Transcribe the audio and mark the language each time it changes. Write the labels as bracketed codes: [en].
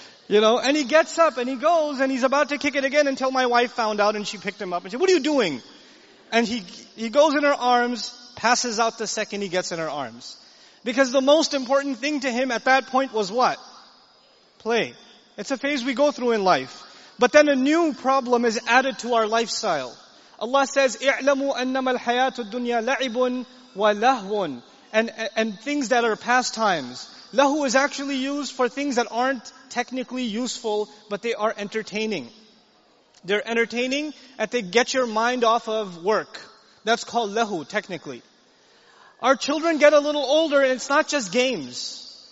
[en] You know, and he gets up and he goes and he's about to kick it again until my wife found out and she picked him up and said, what are you doing? And he goes in her arms, passes out the second he gets in her arms. Because the most important thing to him at that point was what? Play. It's a phase we go through in life. But then a new problem is added to our lifestyle. Allah says, [ar] اِعْلَمُوا أَنَّمَا الْحَيَاةُ الدُّنْيَا لَعِبٌ وَلَهْوٌ. [en] And things that are pastimes. لَهُ is actually used for things that aren't technically useful, but they are entertaining. They're entertaining, and they get your mind off of work. That's called lehu, technically. Our children get a little older, and it's not just games.